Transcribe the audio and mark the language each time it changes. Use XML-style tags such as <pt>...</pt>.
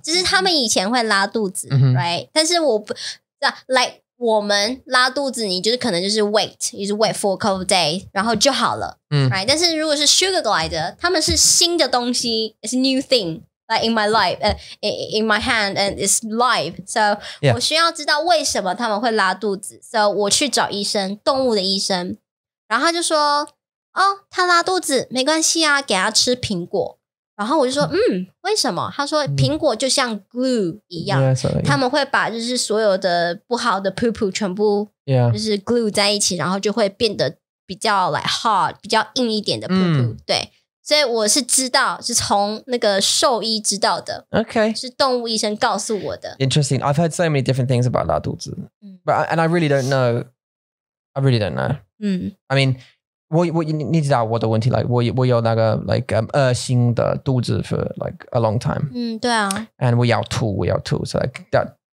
<zh>就是他们以前会拉肚子, right? 但是我, like, 我们拉肚子, 你就是可能就是</zh> <en>wait for a couple of days,</en> <zh>然后就好了, right? 但是如果是 sugar glider, 他们是新的东西,</zh> <en>it's a new thing. Like in my life, in my hand, and it's live. So, yeah.</en> <zh>我需要知道为什么他们会拉肚子.So, 我去找医生, 动物的医生, 然后他就说, 哦, 他拉肚子, 没关系啊, 给他吃苹果. 然后我就说, 嗯, 为什么?他说, 苹果就像 glue一样,</zh> <en>yeah, sorry,</en> <zh>他们会把就是所有的不好的 poo-poo 全部,</zh> <en>yeah.</en> <zh>就是 glue在一起, 然后就会变得比较</zh> <en>like hard,</en> <zh>比较硬一点的 poo-poo, 对。所以我是知道,是从那个兽医知道的。</zh> <en>Okay.</en> <zh>是动物医生告诉我的。</zh> <en>Interesting. I've heard so many different things about 拉肚子. But I really don't know. I really don't know. I mean,</en> <zh>你知道我的问题,</zh> <en>like,</en> <zh>我有那个,</zh> <en>like,</en> <zh>恶心的肚子</zh> <en>for, like, a long time. 对啊。 And</en> <zh>我要吐,</zh> <en>so, like, that.</en>